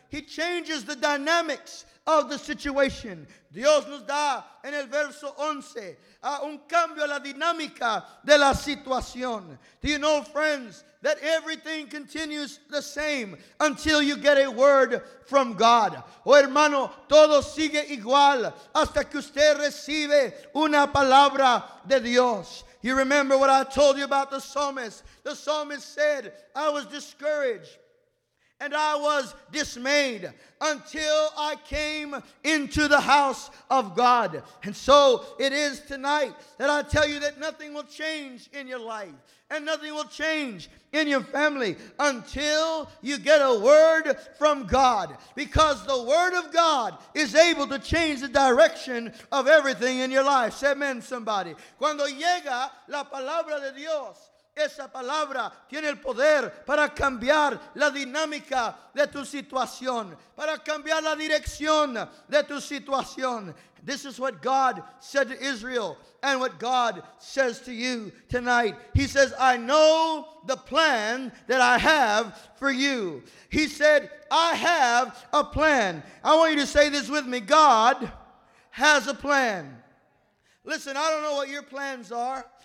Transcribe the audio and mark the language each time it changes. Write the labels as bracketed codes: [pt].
[en] He changes the dynamics of the situation. [es] Dios nos da en el verso 11 un cambio a la dinámica de la situación. [en] Do you know, friends, that everything continues the same until you get a word from God? [es] Oh, hermano, todo sigue igual hasta que usted recibe una palabra de Dios. [en] You remember what I told you about the psalmist? The psalmist said, I was discouraged and I was dismayed until I came into the house of God. And so it is tonight that I tell you that nothing will change in your life and nothing will change in your family until you get a word from God. Because the word of God is able to change the direction of everything in your life. Say amen, somebody. [es] Cuando llega la palabra de Dios, esa palabra tiene el poder para cambiar la dinámica de tu situación, para cambiar la dirección de tu situación. [en] This is what God said to Israel and what God says to you tonight. He says, I know the plan that I have for you. He said, I have a plan. I want you to say this with me. God has a plan. Listen, I don't know what your plans are.